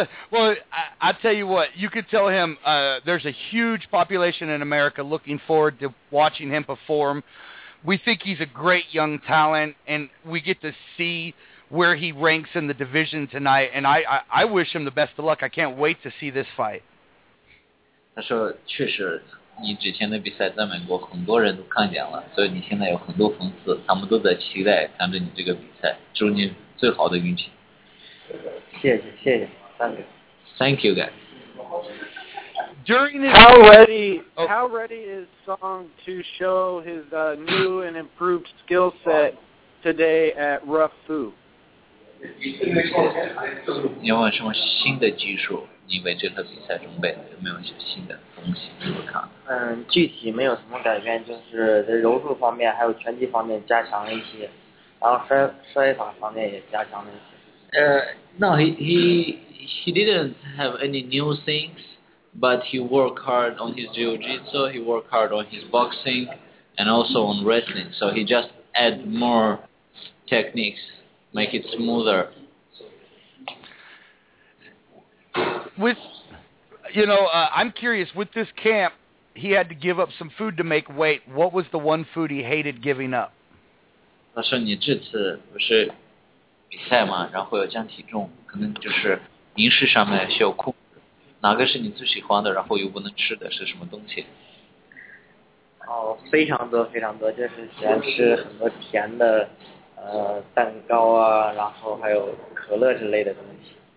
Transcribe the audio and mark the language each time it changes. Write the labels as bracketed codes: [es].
[en] Well, I tell you what, you could tell him there's a huge population in America looking forward to watching him perform. We think he's a great young talent, and we get to see where he ranks in the division tonight, and I wish him the best of luck. I can't wait to see this fight. [zh] 他说确实你之前的比赛在美国很多人都看见了，所以你现在有很多粉丝，他们都在期待看着你这个比赛，祝你最好的运气。谢谢 [en] Thank you guys. During this how ready is Song to show his new and improved skill set today at Rough Foo? [zh] 你有什么新的技术？你为这个比赛准备有没有一些新的东西给我看？具体没有什么改变，就是在柔术方面还有拳击方面加强了一些，然后摔法方面也加强了一些。 [en] No, he didn't have any new things, but he worked hard on his jiu-jitsu, he worked hard on his boxing, and also on wrestling. So he just add more techniques, make it smoother. I'm curious, with this camp, he had to give up some food to make weight. What was the one food he hated giving up? [zh] 他说你这次不是比赛嘛，然后要降体重，可能就是饮食上面需要控制，哪个是你最喜欢的，然后又不能吃的是什么东西？哦，非常多非常多，就是喜欢吃很多甜的，蛋糕啊，然后还有可乐之类的东西。